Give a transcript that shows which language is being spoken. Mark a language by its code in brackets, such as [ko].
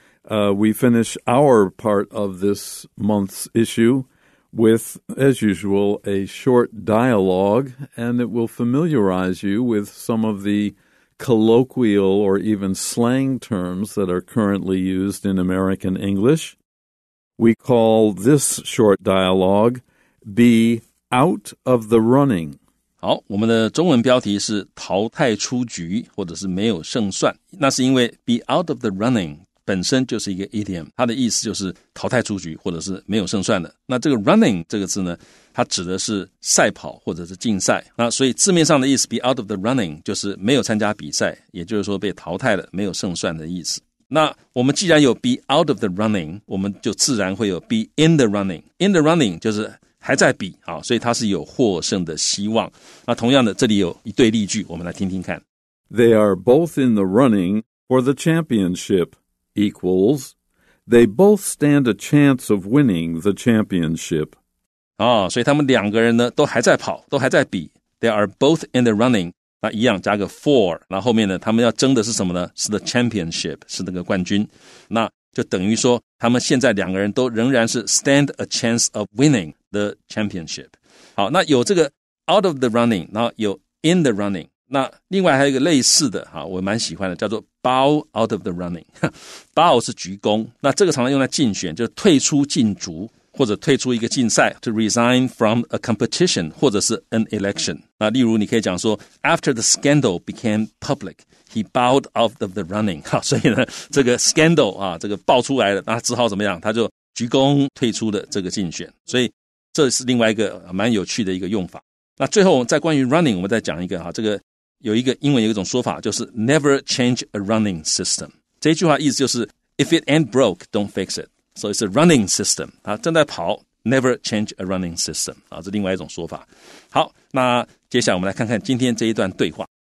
[en] We finish our part of this month's issue with, as usual, a short dialogue, and it will familiarize you with some of the colloquial or even slang terms that are currently used in American English. We call this short dialogue Be Out of the Running. [zh] 好，我们的中文标题是淘汰出局，或者是没有胜算。那是因为 [en] Be Out of the Running [zh] 本身就是一个 idiom， 它的意思就是淘汰出局，或者是没有胜算的。那这个 running 这个字呢，它指的是赛跑或者是竞赛，那所以字面上的意思 [en] be out of the running [zh] 就是没有参加比赛，也就是说被淘汰了，没有胜算的意思。那我们既然有 [en] be out of the running， [zh] 我们就自然会有 [en] be in the running。 in the running [zh] 就是还在比，所以它是有获胜的希望。那同样的，这里有一对例句，我们来听听看。 [en] They are both in the running for the championship equals They both stand a chance of winning the championship。 [zh] 所以他们两个人呢都还在跑，都还在比。 [en] They are both in the running， [zh] 那一样加个 for， 那后面呢他们要争的是什么呢？是 the championship， 是那个冠军。那就等于说他们现在两个人都仍然是 [en] stand a chance of winning the championship。 [zh] 好，那有这个 [en] out of the running， [zh] 然后有 [en] in the running， [zh] 那另外还有一个类似的，好，我蛮喜欢的，叫做 [en] bow out of the running。 [zh] bow 是鞠躬，那这个常常用来竞选，就是退出竞逐或者退出一个竞赛， [en] to resign from a competition [zh] 或者是 [en] an election。 [zh] 那例如你可以讲说 [en] after the scandal became public he bowed out of the running。 [zh] 所以呢这个 scandal 啊，这个爆出来了，那只好怎么样，他就鞠躬退出了这个竞选。所以这是另外一个蛮有趣的一个用法。那最后在关于 running 我们再讲一个，这个有一个英文有一种说法，就是 [en] never change a running system。 [zh] 这句话意思就是 [en] if it ain't broke don't fix itSo it's a running system. [zh] 他正在跑， [en] never change a running system. [zh] 这是另外一种说法。好，那接下来我们来看看今天这一段对话。